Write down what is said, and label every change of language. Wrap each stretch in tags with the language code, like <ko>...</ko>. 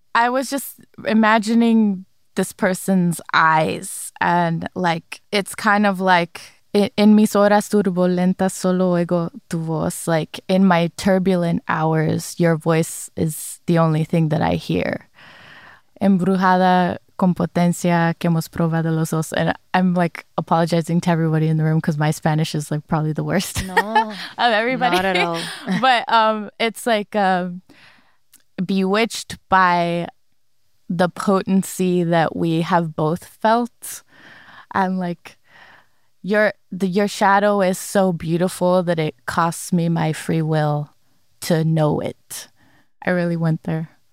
<en>I was just imagining this person's eyes, and like, it's kind of like, en mis horas turbulentas solo oigo tu voz. Like, in my turbulent hours, your voice is the only thing that I hear.</en> <es>Embrujada con potencia que hemos probado los dos.</es> <en>And I'm like apologizing to everybody in the room because my Spanish is like probably the worst. No, of everybody. Not at all. But it's like, bewitched by the potency that we have both felt, and like your shadow is so beautiful that it costs me my free will to know it. I really went there.</en>